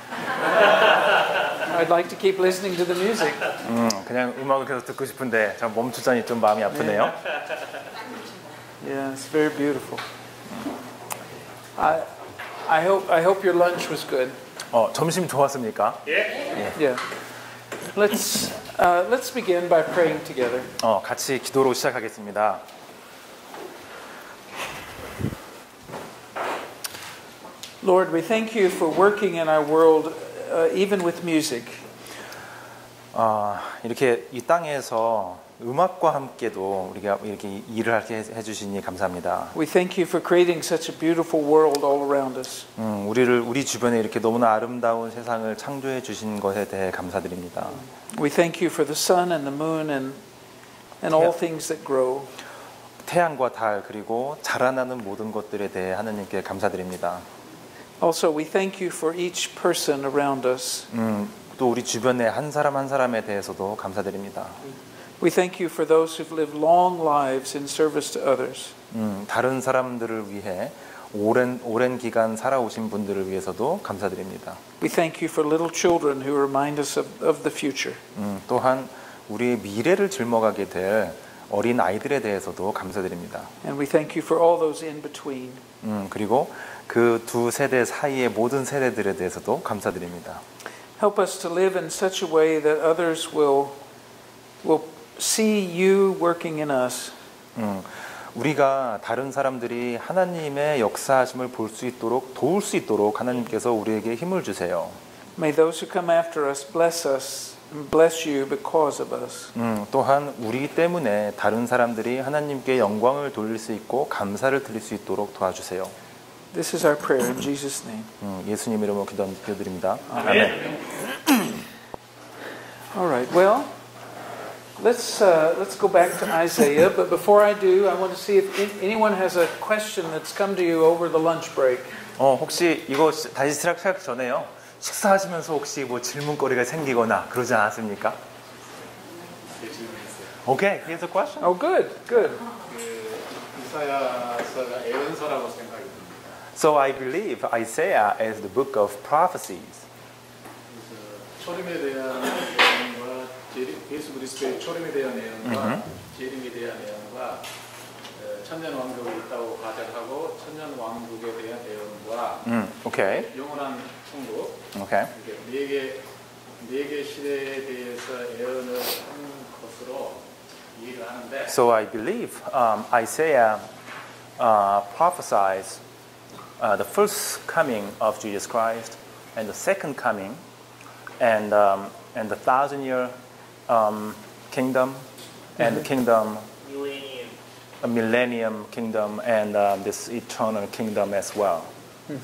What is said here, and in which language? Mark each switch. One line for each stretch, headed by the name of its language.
English: I'd like to keep listening to the music.
Korean: 그냥 음악을 계속 듣고 싶은데 참 멈추자니 좀 마음이 아프네요.
English: Yeah, it's very beautiful. I hope your lunch was good.
Korean: 점심 좋았습니까?
English: Yeah. Yeah. Let's begin by praying together.
Korean: 같이 기도로 시작하겠습니다.
English: Lord, we thank you for working in our world even with music.
Korean: 이렇게 이 땅에서 음악과 함께도 우리가 이렇게 일을 하게 해 주시니 감사합니다.
English: We thank you for creating such a beautiful world all around us.
Korean: 우리 주변에 이렇게 너무나 아름다운 세상을 창조해 주신 것에 대해 감사드립니다.
English: We thank you for the sun and the moon and all things that grow.
Korean: 태양과 달 그리고 자라나는 모든 것들에 대해 하느님께 감사드립니다.
English: Also, we thank you for each person around us.
Korean: 또 우리 주변의 한 사람 한 사람에 대해서도 감사드립니다.
English: We thank you for those who've lived long lives in service to others.
Korean: 다른 사람들을 위해 오랜 기간 살아오신 분들을 위해서도 감사드립니다.
English: We thank you for little children who remind us of the future.
Korean: 또한 우리의 미래를 짊어가게 될 어린 아이들에 대해서도 감사드립니다.
English: And we thank you for all those in between.
Korean: 그리고 그 두 세대 사이의 모든 세대들에 대해서도 감사드립니다.
English: Help us to live in such a way that others will see you working in us.
Korean: 우리가 다른 사람들이 하나님의 역사하심을 볼 수 있도록 도울 수 있도록 하나님께서 우리에게 힘을 주세요.
English: May those who come after us bless us. Bless you because of us.
Korean: 또한 우리 때문에 다른 사람들이 하나님께 영광을 돌릴 수 있고 감사를 드릴 수 있도록 도와주세요. This is our prayer in Jesus' name. 예수님 이름으로 기도드립니다. 아멘.
English: All right. Well, let's go back to Isaiah. But before I do, I want to see if anyone has a question that's come to you over the lunch break.
Korean: 혹시 이거 다시 시작 전에요. 식사하시면서 혹시 뭐 질문거리가 생기거나 그러지 않았습니까? 질문 있어요.
English: Okay, here's a question. Oh, good, good.
Korean: 이사야서가 예언서라고 생각이 듭니다.
English: So I believe Isaiah is the book of prophecies.
Korean: 초림에 대한 예언과 예수 그리스도의 초림에 대한 예언과 재림에 대한 예언과 천년 왕국이 있다고 가정하고 천년 왕국에 대한 예언과
English: okay.
Korean: 영원한 천국
English: okay.
Korean: 네 개 시대에 대해서 예언을 한 것으로 이해를 하는데
English: So I believe Isaiah prophesies the first coming of Jesus Christ and the second coming and the thousand year kingdom and the kingdom a millennium kingdom and this eternal kingdom as well. Mm-hmm.